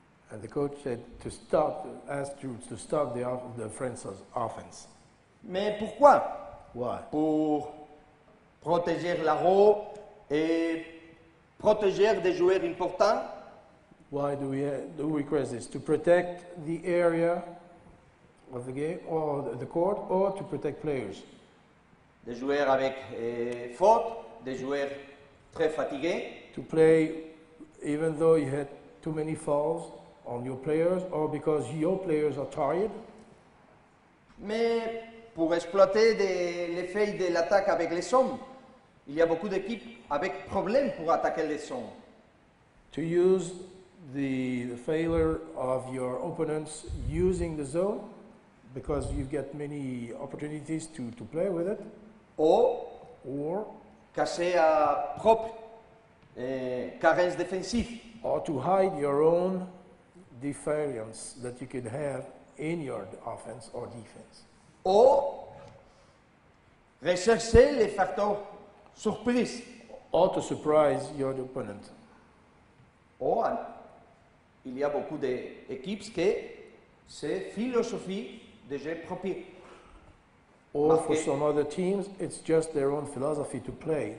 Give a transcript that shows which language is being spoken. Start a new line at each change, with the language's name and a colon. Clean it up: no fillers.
English: And the coach said to stop, asked you to stop the France's offense.
French: Mais pourquoi?
English: Why?
French: Pour protéger la roue et protéger des joueurs importants.
English: Why do we request this? To protect the area of the game or the court or to protect players?
French: Des joueurs avec faute, des joueurs très fatigués.
English: To play even though you had too many fouls on your players or because your players are tired.
French: Mais pour exploiter les failles de l'attaque avec les hommes. Il y a beaucoup d'équipes avec problèmes pour attaquer les zones.
English: To use the failure of your opponents using the zone, because you get many opportunities to play with it.
French: Or cacher à propre carence défensive.
English: Or to hide your own difference that you could have in your offense or defense.
French: Ou rechercher les facteurs surprise.
English: Or to surprise your opponent.
French: Ou il y a beaucoup d'équipes qui c'est philosophie de jeu propre.
English: Or for some other teams, it's just their own philosophy to play.